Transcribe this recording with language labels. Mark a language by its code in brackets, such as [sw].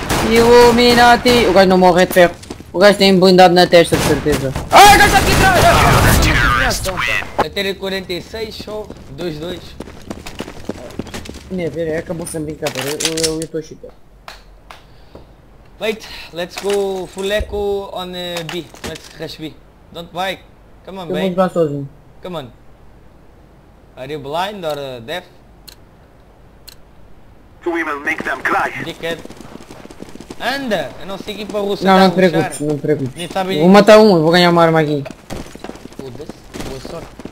[en] Illuminati. [pt] O gajo não morre de ferro. O gajo tem blindado na testa, de certeza. Ah, o gajo está aqui atrás! Ah, a tele 46, show, 2-2. Minha vida, acabou-se a brincar, eu estou chutando. [en] Wait, let's go full echo on B. Let's rush B. Don't bike. Come on, [pt] mate. Eu vou jogar sozinho. [en] Come on. Are you blind or deaf? So we will make them cry. [pt] Dickhead. Anda! Eu não sei que para você. Não, não preocupes, não preocupes. Vou matar um, vou ganhar uma arma aqui. Foda-se, boa sorte.